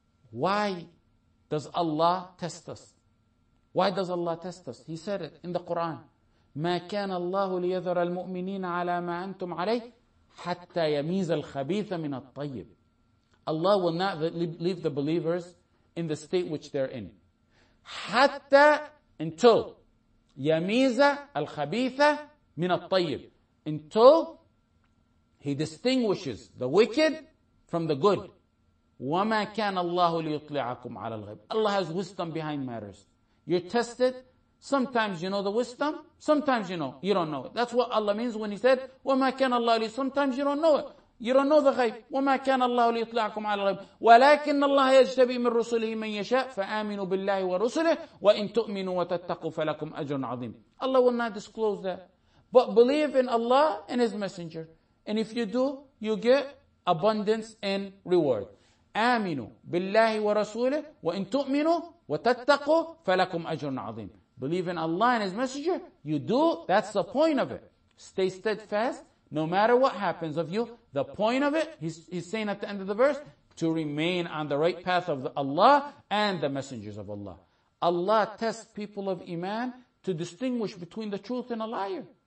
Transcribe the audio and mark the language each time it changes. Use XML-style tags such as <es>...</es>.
<en>Why does Allah test us? Why does Allah test us? He said it in the Quran.</en> <ar>مَا كَانَ اللَّهُ لِيَذَرَ الْمُؤْمِنِينَ عَلَى مَا أَنْتُمْ عَلَيْهِ حَتَّى يَمِيزَ الْخَبِيثَ مِنَ الطَّيِّبِ.</ar> <en>Allah will not leave the believers in the state which they're in.</en> <ar>حَتَّى</ar> <en>until</en> <ar>يَمِيزَ الْخَبِيثَ مِنَ الطَّيِّبِ.</ar> <en>Until He distinguishes the wicked from the good.</en> <ar>وَمَا كَانَ اللَّهُ لِيُطْلِعَكُمْ عَلَى الْغَيْبِ.</ar> <en>Allah has wisdom behind matters. You're tested. Sometimes you know the wisdom. Sometimes you don't know it. That's what Allah means when He said,</en> <ar>وَمَا كَانَ اللَّهُ لِيُطْلِعَكُمْ.</ar> <en>Sometimes you don't know it. You don't know the ghaib.</en> <ar>وَمَا كَانَ اللَّهُ لِيُطْلِعَكُمْ عَلَى الْغَيْبِ. وَلَكِنَّ اللَّهَ يَجْتَبِي مِنْ رُسُلِهِ مَنْ يَشَاءُ فَآمِنُوا بِاللَّهِ وَرُسُلِهِ وَإِنْ تُؤْمِنُوا وَتَتَّقُوا فَلَكُمْ أَجْرٌ عَظِيمٌ.</ar> <en>Allah will not disclose that. But believe in Allah and His Messenger. And if you do, you get abundance and reward.</en> <ar>آمنوا بالله ورسوله وإن تؤمنوا وتتقوا فلكم أجر عظيم.</ar> <en>Believe in Allah and His Messenger. You do. That's the point of it. Stay steadfast. No matter what happens of you, the point of it, he's saying at the end of the verse, to remain on the right path of Allah and the messengers of Allah. Allah tests people of iman to distinguish between the truth and a liar.</en>